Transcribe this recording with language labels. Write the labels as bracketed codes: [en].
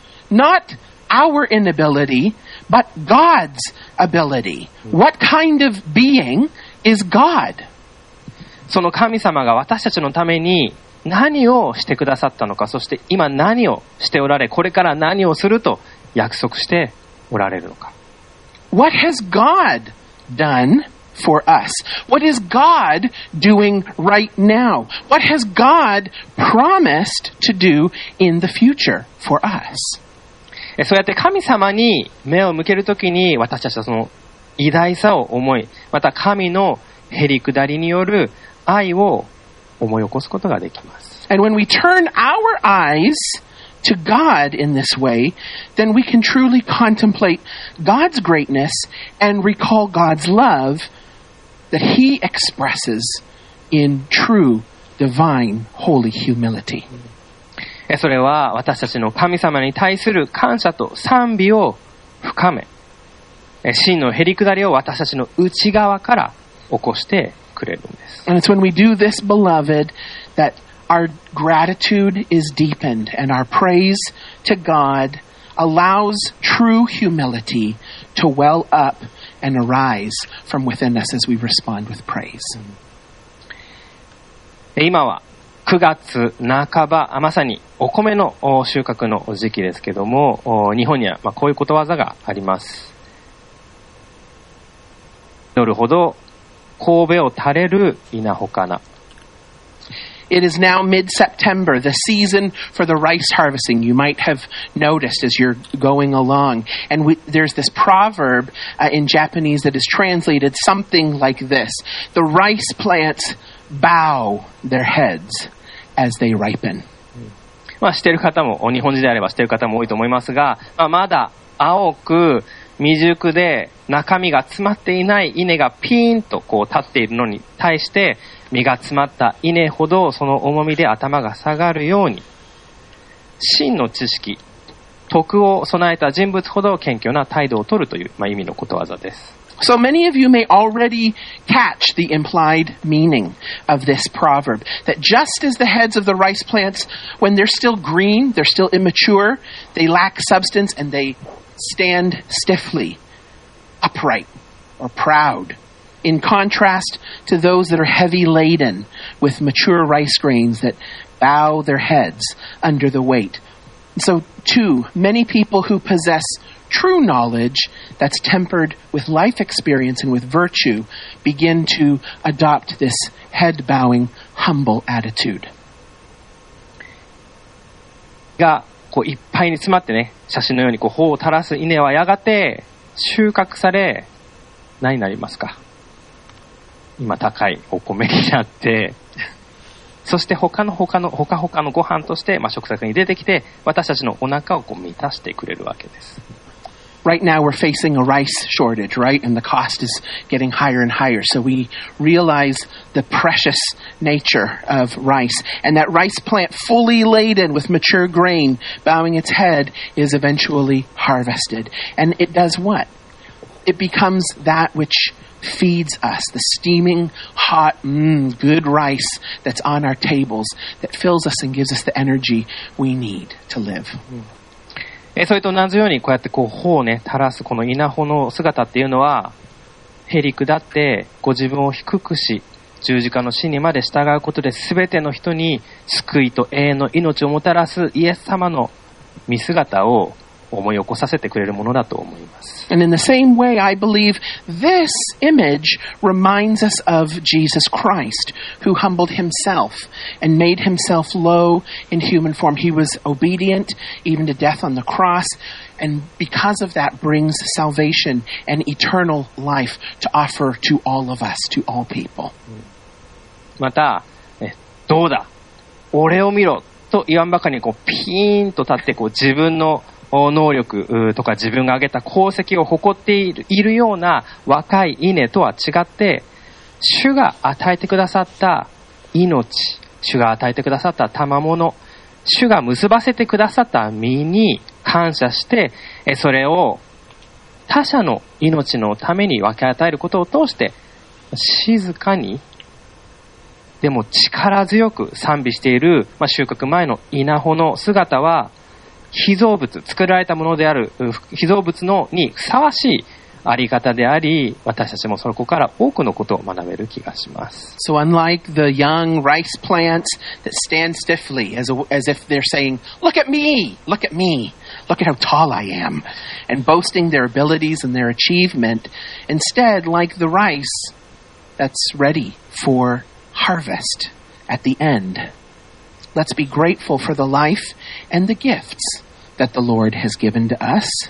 [en] Not our inability, but God's ability. What kind of being is God? [ja] その神様が私たちのために何をしてくださったのか、そして今何をしておられ、これから何をすると約束しておられるのか。 [en] What has God done for us? What is God doing right now? What has God promised to do in the future for us? [ja] そうやって神様に目を向けるときに、私たちはその偉大さを思い、また神のへりくだりによる愛を思い起こすことができます。 [en] And when we turn our eyes to God in this way, then we can truly contemplate God's greatness and recall God's love that He expresses in true divine holy humility. [ja] それは私たちの神様に対する感謝と賛美を深め、真のへりくだりを私たちの内側から起こしてくれるんです。 [en] And it's when we do this, beloved, that our gratitude is deepened and our praise to God allows true humility to well up and arise from within us as we respond with praise. [ja] 今は9月半ば、まさにお米の収穫の時期ですけども、日本にはこういうことわざがあります。祈るほど頭を垂れる稲穂かな。 [en] It is now mid-September, the season for the rice harvesting. You might have noticed as you're going along. And there's this proverb in Japanese that is translated something like this. The rice plants bow their heads as they ripen. [ja] まあ、知ってる方も、日本人であれば知ってる方も多いと思いますが、まあ、まだ青く未熟で中身が詰まっていない稲がピーンとこう立っているのに対して、実が詰まった稲ほどその重みで頭が下がるように、真の知識、徳を備えた人物ほど謙虚な態度を取るという、まあ、意味のことわざです。 [en] So many of you may already catch the implied meaning of this proverb, that just as the heads of the rice plants, when they're still green, they're still immature, they lack substance and they stand stiffly, upright or proud. In contrast to those that are heavy laden with mature rice grains that bow their heads under the weight. So, too, many people who possess true knowledge that's tempered with life experience and with virtue begin to adopt this head bowing, humble attitude. [ja] がこういっぱいに詰まってね、写真のようにこう頬を垂らす稲はやがて収穫され、何になりますか? 今高いお米になって、そして他のほかほかのご飯として、まあ、食卓に出てきて、私たちのお腹をこう満たしてくれるわけです。 [en] Right now we're facing a rice shortage, right? And the cost is getting higher and higher. So we realize the precious nature of rice. And that rice plant fully laden with mature grain bowing its head is eventually harvested. And it does what? It becomes that whichfeeds us, the steaming, hot, good rice that's on our tables that fills us and gives us the energy we need to live. [ja] それと同じように、こうやってこう頬をね垂らすこの稲穂の姿っていうのは、へりくだってご自分を低くし、十字架の死にまで従うことで、全ての人に救いと永遠の命をもたらすイエス様の御姿を思い起こさせてくれるものだと思います。 [en] And in the same way, I believe this image reminds us of Jesus Christ, who humbled himself and made himself low in human form. He was obedient even to death on the cross, and because of that brings salvation and eternal life to offer to all of us, to all people. [ja] また、どうだ、俺を見ろと言わんばかりにこうピーンと立ってこう自分の能力とか自分が挙げた功績を誇っているような若い稲とは違って、主が与えてくださった命、主が与えてくださった賜物、主が結ばせてくださった実に感謝して、それを他者の命のために分け与えることを通して、静かにでも力強く賛美している収穫前の稲穂の姿は、被造物、作られたものである被造物のにふさわしいあり方であり、私たちもそこから多くのことを学べる気がします。 [en] So unlike the young rice plants that stand stiffly as if they're saying, look at me, look at me, look at how tall I am, and boasting their abilities and their achievement, instead, like the rice that's ready for harvest at the end, let's be grateful for the life and the gifts that the Lord has given to us.